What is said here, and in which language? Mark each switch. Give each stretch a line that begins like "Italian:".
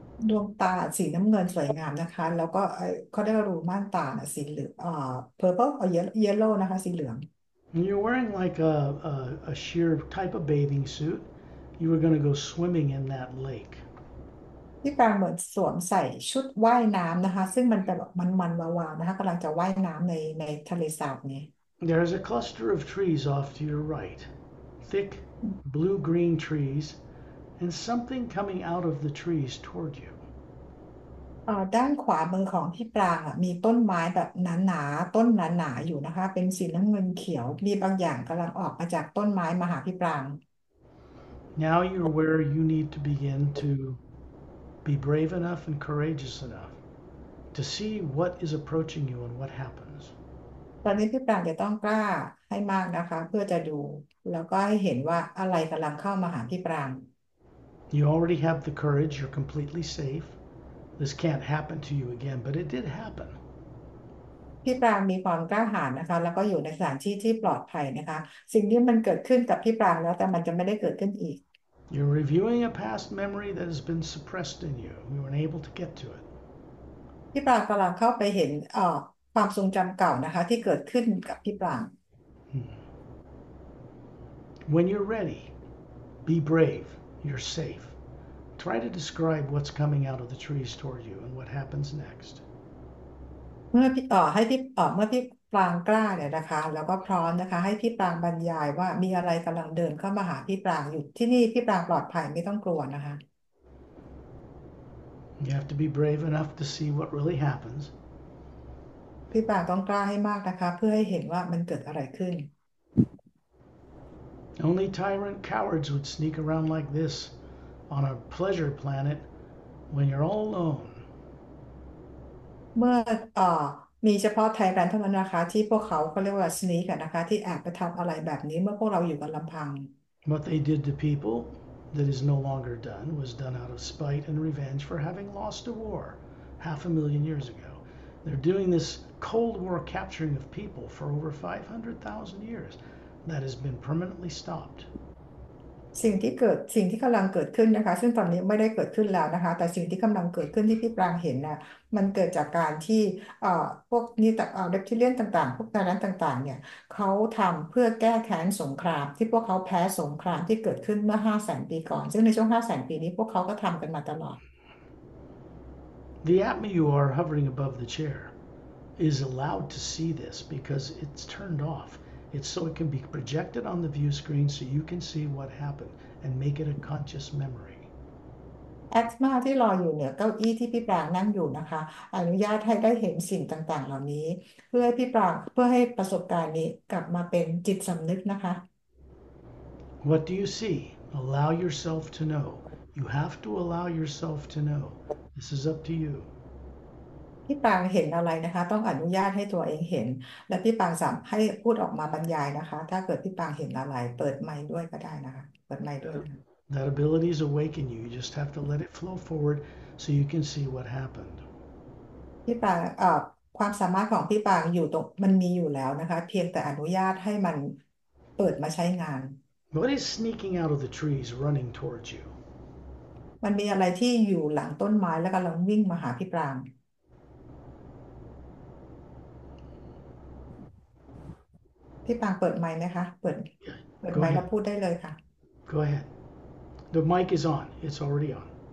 Thai: ดวงตาสีน้ำเงินสวยงามนะคะแล้วก็เขาเรียกว่ารูม่านตาน่ะสีเหลือง purple เยลโล่นะคะสีเหลือง
English: You're wearing like a sheer type of bathing suit. You were going to go swimming in that lake.
Thai: พี่ปางเหมือนสวมใส่ชุดว่ายน้ำนะคะซึ่งมันแบบมันวาวๆนะคะกำลังจะว่ายน้ำในทะเลสาบนี้
English: There is a cluster of trees off to your right. Thick blue-green trees and something coming out of the trees toward you.
Thai: ด้านขวามือของพี่ปรางอ่ะมีต้นไม้แบบหนาๆต้นหนาๆอยู่นะคะเป็นสีน้ำเงินเขียวมีบางอย่างกำลังออกมาจากต้นไม้มาหาพี่ปราง
English: Now you're where you need to begin to be brave enough and courageous enough to see what is approaching you and what happens.
Thai: ตอนนี้พี่ปรางจะต้องกล้าให้มากนะคะเพื่อจะดูแล้วก็ให้เห็นว่าอะไรกำลังเข้ามาหาพี่ปราง
English: You already have the courage. You're completely safe. This can't happen to you again, but it did happen.
Thai: พี่ปรางมีความกล้าหาญนะคะแล้วก็อยู่ในสถานที่ที่ปลอดภัยนะคะสิ่งที่มันเกิดขึ้นกับพี่ปรางแล้วแต่มันจะไม่ได้เกิดขึ้นอีก
English: You're reviewing a past memory that has been suppressed in you. We weren't able to get to it.
Thai: พี่ปรางกำลังเข้าไปเห็นความทรงจำเก่านะคะที่เกิดขึ้นกับพี่ปราง
English: When you're ready, be brave. You're safe. Try to describe what's coming out of the trees toward you and what happens next.
Thai: เมื่อพี่ให้พี่เมื่อพี่ปรางกล้าเนี่ยนะคะแล้วก็พร้อมนะคะให้พี่ปรางบรรยายว่ามีอะไรกำลังเดินเข้ามาหาพี่ปรางอยู่ที่นี่พี่ปรางปลอดภัยไม่ต้องกลัวนะคะ
English: You have to be brave enough to see what really happens.
Thai: พี่ปรางต้องกล้าให้มากนะคะเพื่อให้เห็นว่ามันเกิดอะไรขึ้น
English: Only tyrant cowards would sneak around like this on a pleasure planet when you're all alone.
Thai: เมื่อมีเฉพาะไทยแบรนด์เท่านั้นนะคะที่พวกเขาก็เรียกว่าสนีกันนะคะที่แอบไปทำอะไรแบบนี้เมื่อพวกเราอยู่กันลำพัง
English: What they did to people that is no longer done was done out of spite and revenge for having lost a war 500,000 years ago. They're doing this Cold War capturing of people for over 500,000 years. That has been permanently stopped.
Thai: สิ่งที่กำลังเกิดขึ้นนะคะซึ่งตอนนี้ไม่ได้เกิดขึ้นแล้วนะคะแต่สิ่งที่กำลังเกิดขึ้นที่พี่ปรางเห็นน่ะมันเกิดจากการที่พวกนี้แต่เรปติเลียนต่างๆพวกนั้นต่างๆเนี่ยเขาทำเพื่อแก้แค้นสงครามที่พวกเขาแพ้สงครามที่เกิดขึ้นเมื่อ500,000 ปีก่อนซึ่งในช่วง500,000 ปีนี้พวกเขาก็ทำกันมาตลอด
English: The Atma you are hovering above the chair is allowed to see this because it's turned off. It's so it can be projected on the view screen so you can see what happened and make it a conscious memory.
Thai: แอตมาที่รออยู่เหนือเก้าอี้ที่พี่ปรางนั่งอยู่นะคะอนุญาตให้ได้เห็นสิ่งต่างๆเหล่านี้เพื่อให้พี่ปรางเพื่อให้ประสบการณ์นี้กลับมาเป็นจิตสำนึกนะคะ
English: What do you see? Allow yourself to know. You have to allow yourself to know. This is up to you.
Thai: พี่ปางเห็นอะไรนะคะต้องอนุญาตให้ตัวเองเห็นและพี่ปางสามารถให้พูดออกมาบรรยายนะคะถ้าเกิดพี่ปางเห็นอะไรเปิดไมค์ด้วยก็ได้นะคะเปิดไมค์ด้วยนะ
English: That ability is awakening you. You just have to let it flow forward so you can see what happened.
Thai: พี่ปางความสามารถของพี่ปางอยู่ตรงมันมีอยู่แล้วนะคะเพียงแต่อนุญาตให้มันเปิดมาใช้งาน
English: What is sneaking out of the trees running towards you?
Thai: มันมีอะไรที่อยู่หลังต้นไม้แล้วกำลังวิ่งมาหาพี่ปาง พี่ปางเปิดไมค์ไหมคะเปิดไมค์แล้วพูดได้เลยค่ะ
English: Go ahead. The mic is on. It's already on.